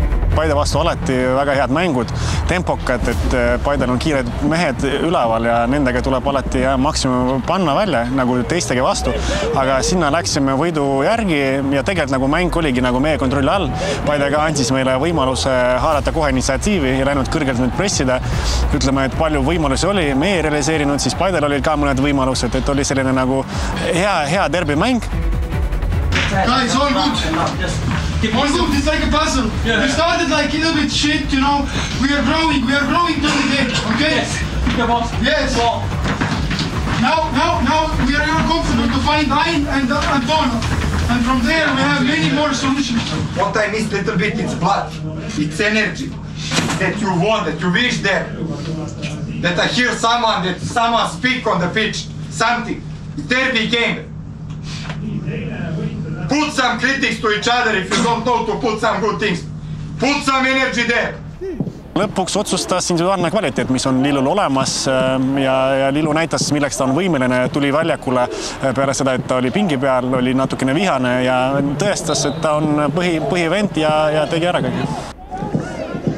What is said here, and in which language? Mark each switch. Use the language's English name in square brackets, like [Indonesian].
[Estonian] Paide vastu alati väga head mängud, tempokad, et Paidel on kiired mehed üleval ja nendega tuleb alati maksimum panna välja, nagu teistegi vastu, aga sinna läksime võidu järgi ja tegelikult nagu mäng oligi nagu meie kontrolli all, Paide ka andis meile võimaluse haarata kohe initsiatiivi ja läinud kõrgelt nüüd pressida, ütleme, et palju võimalusi oli meie realiseerinud, siis Paidel oli ka mõned võimalused, et oli selline nagu hea derbi mäng. [English] Guys, all good. All good, it's like a puzzle. Yeah. We started like a little bit shit, you know. We are growing to the game, okay? Yes. Yes. Now we are confident to find Ayn and Antonio. And from there we have many more solutions. What I miss a little bit is blood. It's energy. That you want, that you wish there. That I hear someone, that someone speak on the pitch. Something. Derby game. Put some critics to each other if you don't know to put some good things. Put some energy there. [Estonian] Lõpuks otsustas individuaalne kvaliteet, mis on Lilul olemas ja Lilu näitas, milleks ta on võimeline, tuli väljakule peale seda, et ta oli pingi peal, oli natukene vihane ja tõestas, et ta on põhivend ja tegi ära kõige.